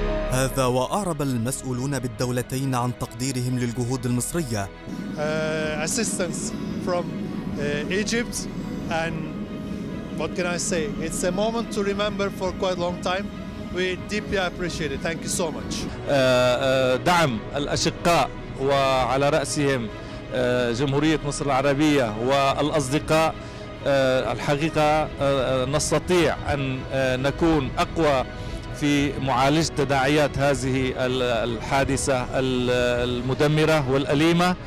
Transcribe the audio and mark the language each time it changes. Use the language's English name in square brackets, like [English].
[Arabic] هذا وأعرب المسؤولون بالدولتين عن تقديرهم للجهود المصرية. [English] Assistance from Egypt and what can I say? It's a moment to remember for quite a long time. We deeply appreciate it. Thank you so much. [Arabic] دعم الأشقاء وعلى رأسهم جمهورية مصر العربية والأصدقاء. الحقيقة نستطيع أن نكون أقوى في معالجة تداعيات هذه الحادثة المدمرة والأليمة.